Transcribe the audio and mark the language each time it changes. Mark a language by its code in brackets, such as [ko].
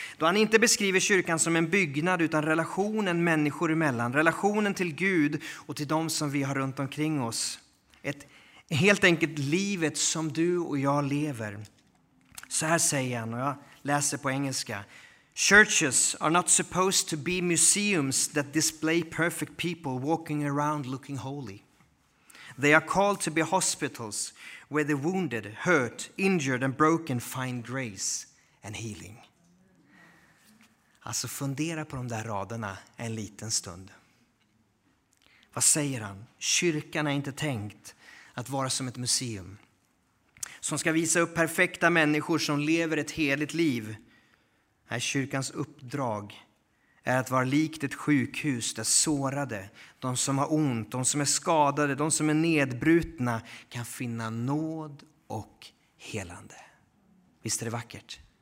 [sv] Då han inte beskriver kyrkan som en byggnad utan relationen människor emellan. Relationen till Gud och till dem som vi har runt omkring oss. Ett helt enkelt livet som du och jag lever. Så här säger han, och jag läser på engelska. [en] Churches are not supposed to be museums that display perfect people walking around looking holy. They are called to be hospitals where the wounded, hurt, injured and broken find grace and healing. [sv] Alltså fundera på de där raderna en liten stund. Vad säger han? Kyrkan är inte tänkt att vara som ett museum. Som ska visa upp perfekta människor som lever ett heligt liv. Här kyrkans uppdrag är att vara likt ett sjukhus där sårade, de som har ont, de som är skadade, de som är nedbrutna kan finna nåd och helande. Visst är det vackert?